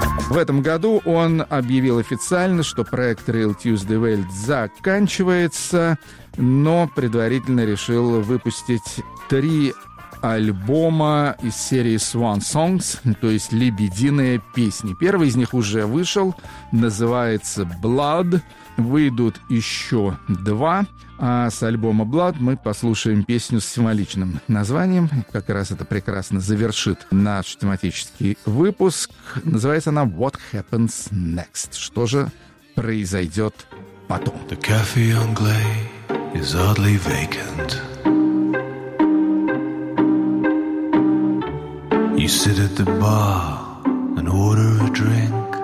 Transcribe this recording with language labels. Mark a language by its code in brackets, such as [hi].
[ru] В этом году он объявил официально, что проект Real Tuesday Welt заканчивается, но предварительно решил выпустить три альбома из серии Swan Songs, то есть «Лебединые песни». Первый из них уже вышел, называется Blood. Выйдут еще два. А с альбома Blood мы послушаем песню с символичным названием. Как раз это прекрасно завершит наш тематический выпуск. Называется она What Happens Next. Что же произойдет потом? [en] The cafe on Glay is oddly vacant. You sit at the bar and order a drink.